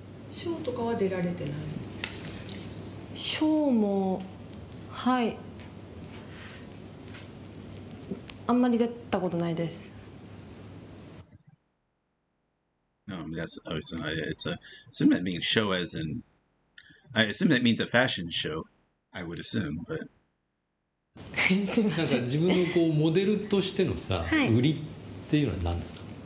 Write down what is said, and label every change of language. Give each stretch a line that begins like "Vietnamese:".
Japanese: ショーとかは出られてない？ショーも、はい、あんまり出たことないです。
English: No, I mean, that's obviously not, it's a, assume that means show as in, I assume that means a fashion show, I would assume, but.
Japanese: なんか自分のこうモデルとしてのさ、売りっていうのは何ですか？